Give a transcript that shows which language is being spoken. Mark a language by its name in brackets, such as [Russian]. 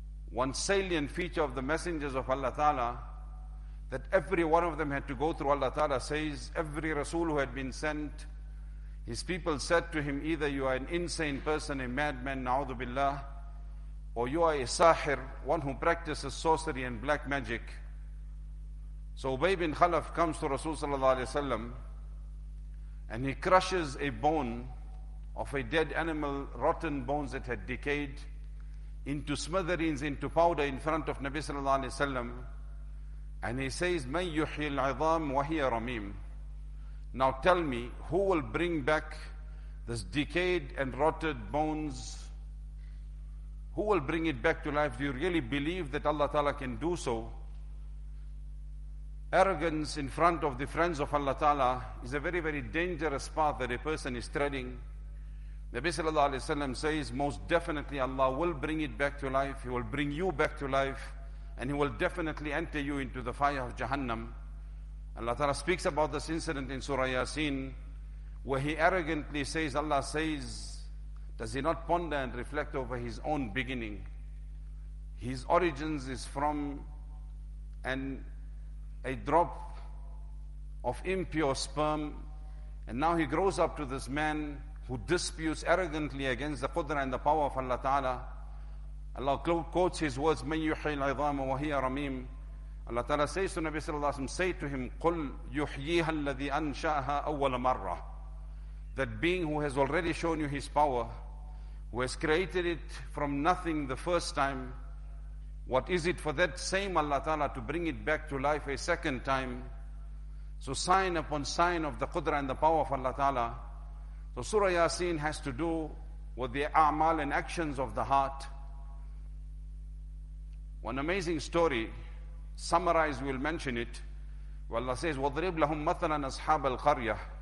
[English] One salient feature of the messengers of Allah Ta'ala, that every one of them had to go through, Allah Ta'ala says, every Rasul who had been sent, his people said to him, either you are an insane person, a madman, na'udhu billah, or you are a sahir, one who practices sorcery and black magic. So Ubay bin Khalaf comes to Rasul Sallallahu Alaihi Wasallam, and he crushes a bone of a dead animal, rotten bones that had decayed, into smithereens, into powder in front of Nabi Sallallahu Alaihi Wasallam. And he says, [Arabic] مَنْ يُحْيِي الْعِظَامُ وَهِيَ رَمِيمُ. [English] Now tell me, who will bring back this decayed and rotted bones? Who will bring it back to life? Do you really believe that Allah Ta'ala can do so? Arrogance in front of the friends of Allah Ta'ala is a very, very dangerous path that a person is treading. Nabi Sallallahu Alaihi Wasallam says, most definitely Allah will bring it back to life. He will bring you back to life. And he will definitely enter you into the fire of Jahannam. Allah Ta'ala speaks about this incident in Surah Yasin, where he arrogantly says, Allah says, does he not ponder and reflect over his own beginning? His origins is from a drop of impure sperm. And now he grows up to this man who disputes arrogantly against the qudra and the power of Allah Ta'ala. Allah quotes his words, [Arabic] مَنْ يُحْيِي الْعِظَامَ وَهِيَ رَمِيمٌ. [English] Allah Ta'ala says to Nabi Sallallahu Alaihi Wasallam, say to him, [Arabic] قُلْ يُحْيِيهَا الَّذِي أَنْشَأَهَا أَوَّلَ مَرَّةٍ. [English] That being who has already shown you his power, who has created it from nothing the first time, what is it for that same Allah Ta'ala to bring it back to life a second time? So sign upon sign of the qudra and the power of Allah Ta'ala. So Surah Yasin has to do with the a'mal and actions of the heart. One amazing story, summarized, we'll mention it. Where Allah says, [Arabic] وَضْرِبْ لَهُمْ مَثَلًا أَصْحَابَ الْقَرْيَةِ.